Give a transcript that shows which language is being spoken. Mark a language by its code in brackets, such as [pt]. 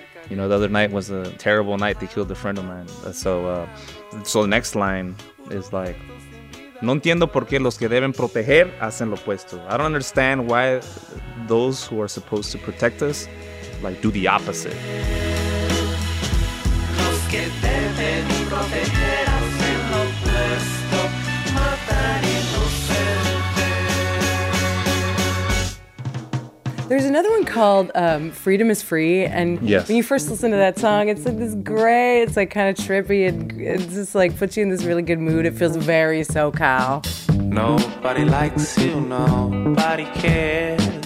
[en] You know, the other night was a terrible night. They killed a friend of mine. So the next line is like, [es] no entiendo por qué los que deben proteger hacen lo opuesto. [en] I don't understand why those who are supposed to protect us, like, do the opposite. [es] Los que deben proteger hacen lo opuesto, matar inocente. [en] There's another one called Freedom is Free. And yes, when you first listen to that song, it's like this gray, it's like kind of trippy. It just like puts you in this really good mood. It feels very SoCal. Nobody likes you, nobody cares.